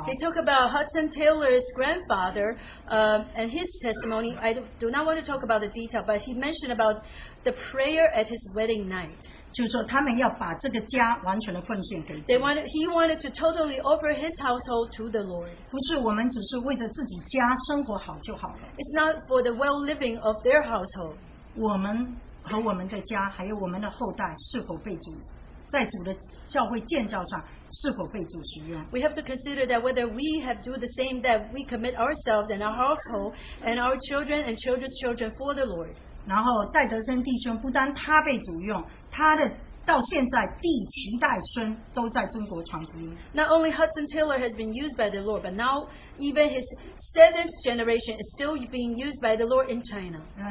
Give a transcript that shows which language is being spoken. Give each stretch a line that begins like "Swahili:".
English: They talk about Hudson Taylor's grandfather, and his testimony. I do not want to talk about the detail, but he mentioned about the prayer at his wedding night.
Chinese: 就是说他们要把这个家完全的奉献给主。
English: He wanted to totally offer his household to the Lord.
Chinese: 不是我们只是为了自己家生活好就好了。
English: It's not for the well-living of their household.
Chinese: 我们和我们的家还有我们的后代是否被主在主的教会建造上是否被主使用。
English: We have to consider that whether we have do the same, that we commit ourselves and our household and our children and children's children for the Lord.
Chinese: 然后戴德森弟兄不单他被主用， 他的到现在第七代孙都在中国传福音。
English: Not only Hudson Taylor has been used by the Lord, but now even his seventh generation is still being used by the Lord in China.